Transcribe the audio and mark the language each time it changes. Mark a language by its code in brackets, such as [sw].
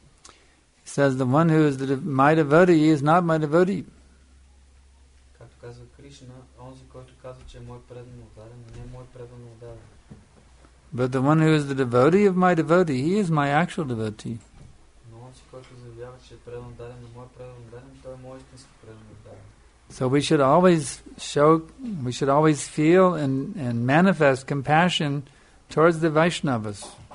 [en] He says the one who is my devotee is not my devotee. [bg] Както казва Кришна, онзи, който казва, че е мой преданно отдаден, не е мой преданно отдаден. [en] But the one who is the devotee of my devotee, he is my actual devotee. [bg] Но онзи, който заявява, че е преданно отдаден, не е мой преданно отдаден, той е мой истински преданно отдаден. [en] So we should always show, we should always feel and manifest compassion towards the Vaishnavas.